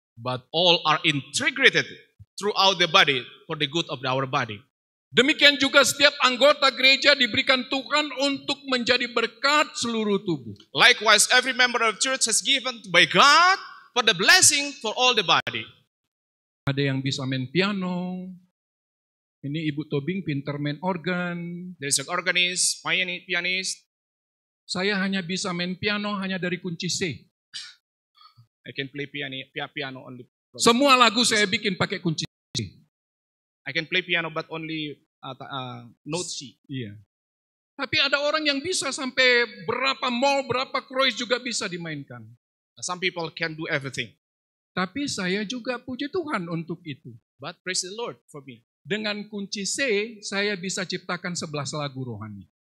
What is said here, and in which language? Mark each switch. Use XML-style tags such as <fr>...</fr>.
<en>But all are integrated throughout the body for the good of our body.</en> <id>Demikian juga setiap anggota gereja diberikan Tuhan untuk menjadi berkat seluruh tubuh.</id> <en>Likewise, every member of church has given by God for the blessing for all the body.</en> <id>Ada yang bisa main piano. Ini Ibu Tobing pintar main organ.</id> <en>There is an organist, pianist.</en> <id>Saya hanya bisa main piano hanya dari kunci C.</id> <en>I can play piano only.</en> <id>Semua lagu saya bikin pakai kunci.</id> <en>I can play piano but only note C.</en> <id>Iya. Tapi ada orang yang bisa sampai berapa mol, berapa croix juga bisa dimainkan.</id> <en>Some people can do everything.</en> <id>Tapi saya juga puji Tuhan untuk itu.</id> <en>But praise the Lord for me.</en> <id>Dengan kunci C, saya bisa ciptakan 11 lagu rohani.</id>